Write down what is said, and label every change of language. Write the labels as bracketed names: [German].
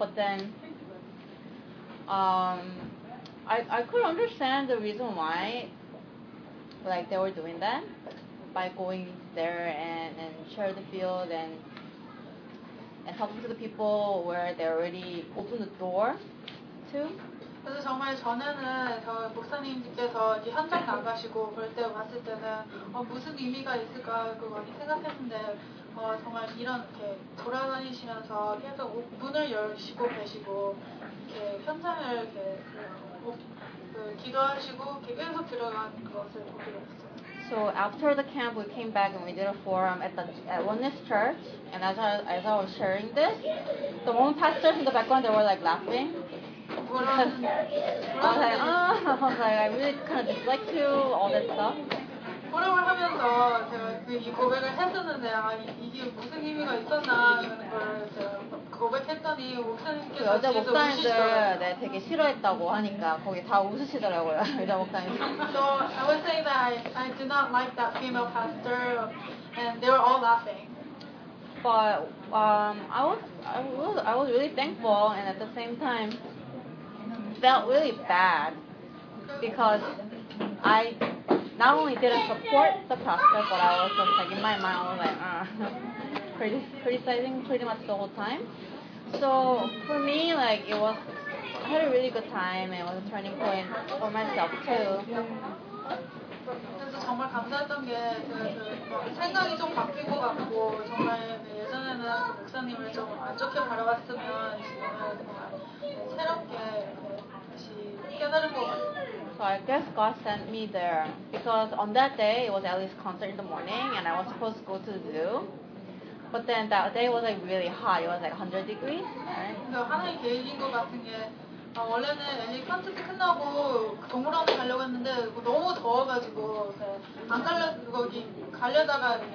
[English] But then, I could understand the reason why, like they were doing that by going there and share the field and talking to the people where they already opened the door to. [Korean] 그래서 정말 전에는 저 목사님께서 이렇게 현장 나가시고 그럴 때 봤을 때는 무슨 의미가 있을까 그 많이 생각했는데 정말 이런 이렇게 돌아다니시면서 계속 문을 열시고 계시고 이렇게 현장을 이렇게 그 기도하시고 계속 들어간 것을 보게 됐어요. [English] So after the camp, we came back and we did a forum at Oneness Church. And as I was sharing this, the woman pastors in the background, they were like laughing. Because I was like, I really kind of dislike you, all that stuff. [Korean] 포럼을 하면서 제가 그 이 고백을 했었는데 아 이게 무슨 의미가 있었나 그런 걸 제가 고백했더니 목사님께서 그 여자 목사님들 네, 되게 싫어했다고 하니까 거기 다 웃으시더라고요 여자 목사님. [English] So I would say that I do not like that female pastor and they were all laughing. But I was really thankful and at the same time felt really bad because I. Not only did I support the pastor, but I was just like in my mind, I was like, criticizing pretty much the whole time. So for me, like it was, I had a really good time, and it was a turning point for myself too. [Korean] 그래서 정말 감사했던 게 그 생각이 좀 바뀐 것 같고 정말 예전에는 목사님을 좀 안 좋게 바라봤으면 지금은 새롭게 다시 깨달은 것 같아요. [English] So I guess God sent me there because on that day it was Ellie's concert in the morning and I was supposed to go to the zoo. But then that day was like really hot. It was like 100 degrees. Right? [Korean] 원래는 엘리 콘서트 끝나고 동물원에 가려고 했는데 너무 더워가지고 안 가려다가